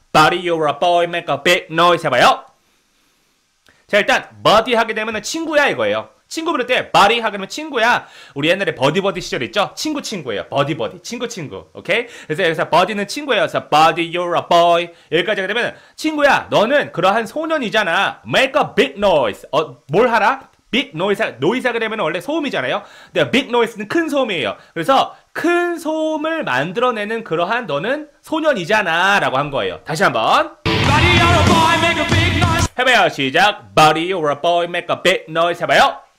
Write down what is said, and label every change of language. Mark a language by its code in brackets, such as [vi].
[en] Buddy, you're a boy, make a big noise [ko] 해봐요. 자, 일단 buddy 하게 되면은 친구야 이거예요. 친구 부를 때 buddy 하게 되면 친구야. 우리 옛날에 buddy buddy 시절 있죠? 친구 친구예요. buddy buddy 친구 친구. 오케이? 그래서 여기서 buddy는 친구예요. 그래서 [en] buddy, you're a boy [ko] 여기까지 하게 되면은 친구야, 너는 그러한 소년이잖아. [en] Make a big noise. [ko] 뭘 하라? big noise, noise 하게 되면 원래 소음이잖아요. 근데 big noise는 큰 소음이에요. 그래서 큰 소음을 만들어내는 그러한 너는 소년이잖아 라고 한 거예요. [en] 다시 한번 Buddy, you're a boy, make a big noise [ko] 해봐요. 시작. [en] Buddy, you're a boy, make a big noise [ko] 해봐요.